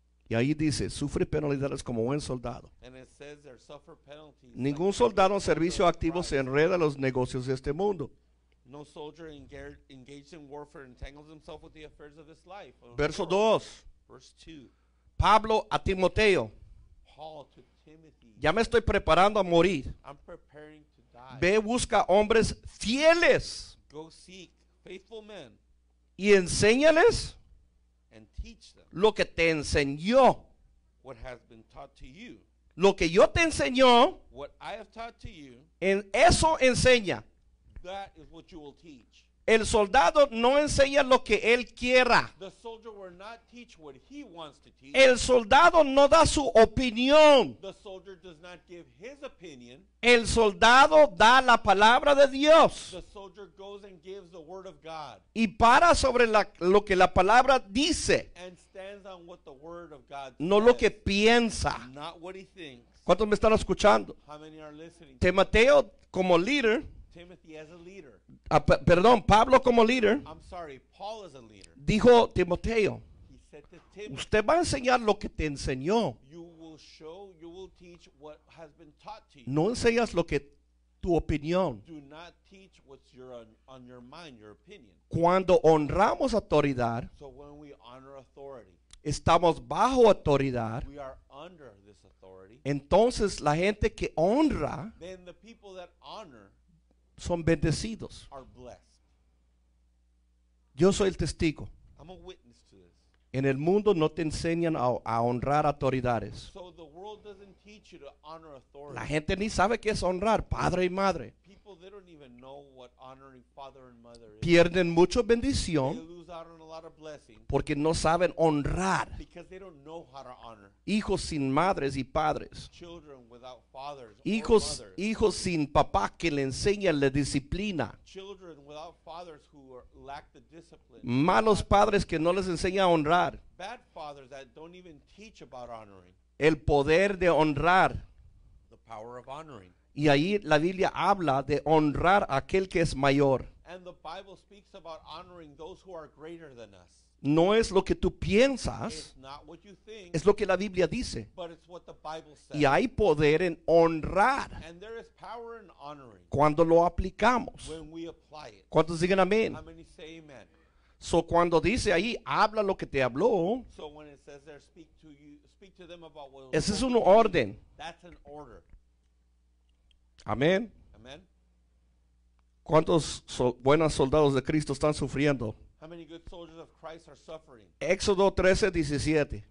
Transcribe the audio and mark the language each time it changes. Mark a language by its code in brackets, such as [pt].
[es] Y ahí dice, sufre penalidades como buen soldado. [en] And it says there suffer penalties. [es] Ningún soldado en servicio activo se enreda en los negocios de este mundo. [en] No soldier engaged in warfare entangles himself with the affairs of this life. [es] Verso 2. [en] Verse 2. [es] Pablo a Timoteo. [en] Paul to Timothy. [es] Ya me estoy preparando a morir. [en] I'm preparing to die. [es] Ve, busca hombres fieles. [en] Go seek faithful men. [es] Y enséñales. [en] And teach them. [es] Lo que te enseñó. [en] What has been taught to you. [es] Lo que yo te enseñó. [en] What I have taught to you. [es] En eso enseña. [en] That is what you will teach. [es] El soldado no enseña lo que él quiera. [en] The soldier will not teach what he wants to teach. [es] El soldado no da su opinión. [en] The soldier does not give his opinion. [es] El soldado da la palabra de Dios. [en] The soldier goes and gives the word of God. [es] Y para sobre lo que la palabra dice. [en] And stands on what the word of God [es] no [en] says. [es] Lo que piensa. [en] Not what he thinks. [es] ¿Cuántos me están escuchando? [en] How many are listening? [es] Timoteo como líder. [en] Timothy as a leader. [es] Perdón, Pablo como líder. [en] I'm sorry, Paul as a leader. [es] Dijo Timoteo. [en] He said to Timothy, [es] usted va a enseñar lo que te enseñó. [en] You will show, you will teach what has been taught to you. [es] No enseñas lo que tu opinión. [en] Do not teach what's your on your mind, your opinion. [es] Cuando honramos autoridad, [en] so when we honor authority, [es] estamos bajo autoridad. [en] We are under this authority. [es] Entonces la gente que honra, [en] then the people that honor, [es] son bendecidos. Yo soy el testigo. [en] I'm a witness to this. [es] En el mundo no te enseñan a honrar autoridades. [en] So the world doesn't teach you to honor authority. [es] La gente ni sabe qué es honrar padre y madre. [en] People, they don't even know what honoring father and mother is. [es] Pierden mucho bendición. [en] They lose out on a lot of blessing. [es] Porque no saben honrar. [en] Because they don't know how to honor. [es] Hijos sin madres y padres. [en] Children without fathers [es] hijos, [en] or mothers. [es] Hijos sin papá que le enseñan la disciplina. [en] Children without fathers who lack the discipline. [es] Malos padres que no les enseñan a honrar. [en] Bad fathers that don't even teach about honoring. [es] El poder de honrar. [en] The power of honoring. [es] Y ahí la Biblia habla de honrar a aquel que es mayor. [en] And the Bible speaks about honoring those who are greater than us. [es] No es lo que tú piensas. [en] It's not what you think, [es] es lo que la Biblia dice. [en] But it's what the Bible says. [es] Y hay poder en honrar. [en] And there is power in honoring. [es] Cuando lo aplicamos. [en] When we apply it. [es] ¿Cuántos digan amén? [en] How many say amen? [es] So cuando dice ahí, habla lo que te habló. [en] So when it says there, speak to you, speak to them about what. [es] Ese es un orden. [en] That's an order. [es] Amén. [en] Amen. [es] ¿Cuántos buenos soldados de Cristo están sufriendo? [en] How many good soldiers of Christ are suffering? [es] Éxodo 13:17.